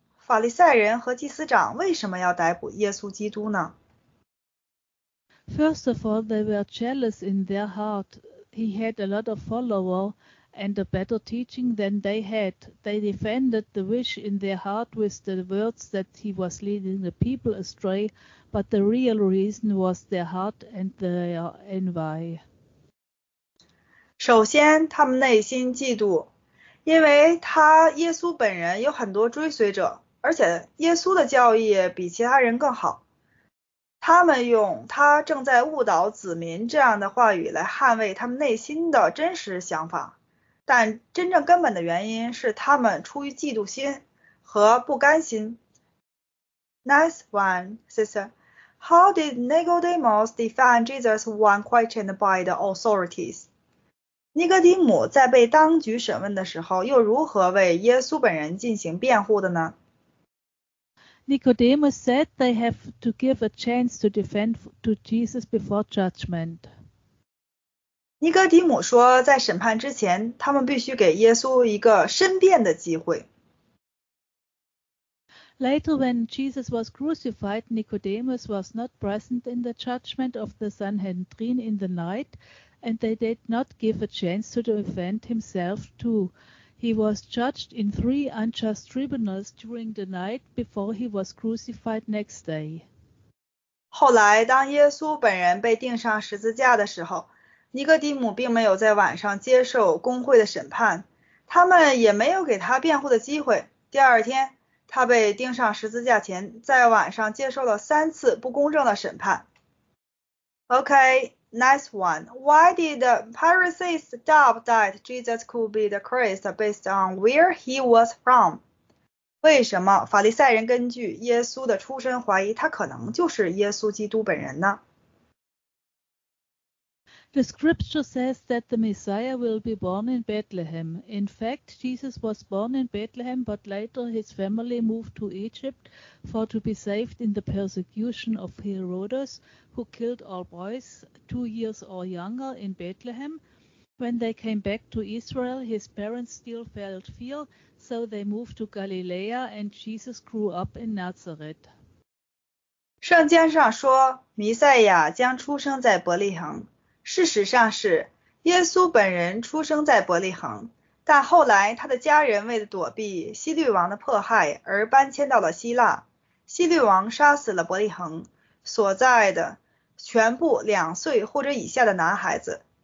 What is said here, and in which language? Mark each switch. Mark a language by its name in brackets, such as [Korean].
[Chinese] 法利赛人和祭司长为什么要逮捕耶稣基督呢？ [English] First of all, they were jealous in their heart. He had a lot of followers and a better teaching than they had. They defended the wish in their heart with the words that he was leading the people astray, but the real reason was their heart and their envy. [Chinese] 首先，他们内心嫉妒，因为他耶稣本人有很多追随者，而且耶稣的教义比其他人更好。他们用他正在误导子民这样的话语来捍卫他们内心的真实想法，但真正根本的原因是他们出于嫉妒心和不甘心。 [English] Next one, sister. How did Nicodemus defend Jesus when questioned by the authorities? [Chinese] 尼哥底母在被当局审问的时候又如何为耶稣本人进行辩护的呢？ [English] Nicodemus said they have to give a chance to defend to Jesus before judgment. [Chinese] 尼哥底母说，在审判之前，他们必须给耶稣一个申辩的机会。 [English] Later, when Jesus was crucified, Nicodemus was not present in the judgment of the Sanhedrin in the night, and they did not give a chance to defend himself too. He was judged in three unjust tribunals during the night before he was crucified next day. [Chinese] 后来，当耶稣本人被钉上十字架的时候，尼哥底母并没有在晚上接受公会的审判，他们也没有给他辩护的机会。第二天，他被钉上十字架前，在晚上接受了三次不公正的审判。 [English] Okay, nice one. Why did the Pharisees doubt that Jesus could be the Christ based on where he was from? [Chinese] 为什么法利赛人根据耶稣的出身怀疑他可能就是耶稣基督本人呢？ [English] The scripture says that the Messiah will be born in Bethlehem. In fact, Jesus was born in Bethlehem, but later his family moved to Egypt for to be saved in the persecution of Herodias, who killed all boys 2 years or younger in Bethlehem. When they came back to Israel, his parents still felt fear, so they moved to Galilee, and Jesus grew up in Nazareth. [Chinese] 圣经上说，弥赛亚将出生在伯利恒。事实上是，耶稣本人出生在伯利恒，但后来他的家人为了躲避希律王的迫害而搬迁到了希腊。希律王杀死了伯利恒所在的全部2岁或者以下的男孩子。